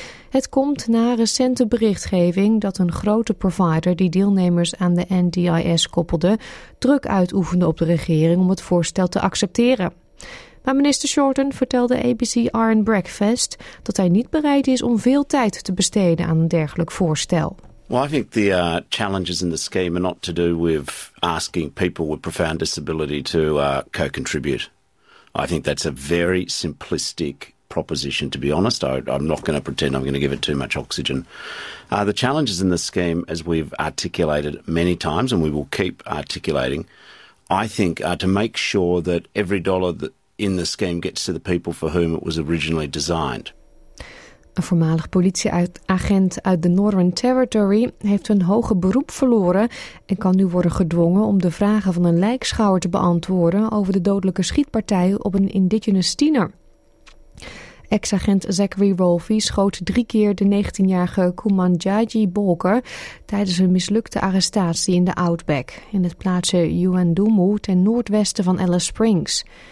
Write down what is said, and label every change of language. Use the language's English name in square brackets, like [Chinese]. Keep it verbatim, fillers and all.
[Dutch] Het komt na recente berichtgeving dat een grote provider die deelnemers aan de N D I S koppelde druk uitoefende op de regering om het voorstel te accepteren. Maar minister Shorten vertelde A B C Iron Breakfast dat hij niet bereid is om veel tijd te besteden aan een dergelijk voorstel. [English] Well, I think the uh, challenges in the scheme are not to do with asking people with profound disability to uh, co-contribute. I think that's a very simplistic proposition, to be honest. I, I'm not going to pretend I'm going to give it too much oxygen. Uh, the challenges in the scheme, as we've articulated many times, and we will keep articulating, I think are to make sure that every dollar that in the scheme gets to the people for whom it was originally designed. [Dutch] Een voormalig politieagent uit de Northern Territory heeft een hoger beroep verloren en kan nu worden gedwongen om de vragen van een lijkschouwer te beantwoorden over de dodelijke schietpartij op een indigenous tiener. Ex-agent Zachary Rolfe schoot drie keer de negentienjarige Kumanjaji Bolker tijdens een mislukte arrestatie in de Outback in het plaatsje Yuendumu ten noordwesten van Alice Springs.